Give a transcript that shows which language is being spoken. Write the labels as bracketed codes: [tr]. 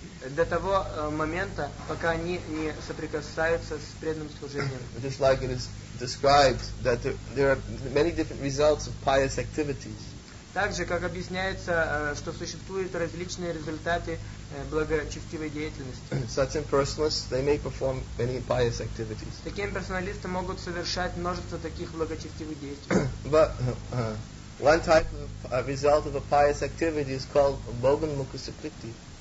[ru] До того момента, пока они не соприкасаются с преданным служением. [en] Just like it is described that there are many different results of pious activities. [ru] Также, как объясняется, что существуют различные результаты благочестивой деятельности. [en] Such impersonalists, they may perform many pious activities. [ru] Такие имперсоналисты могут совершать множество таких благочестивых действий. [en] But one type of result of a pious activity is called bhogan mukha sukriti.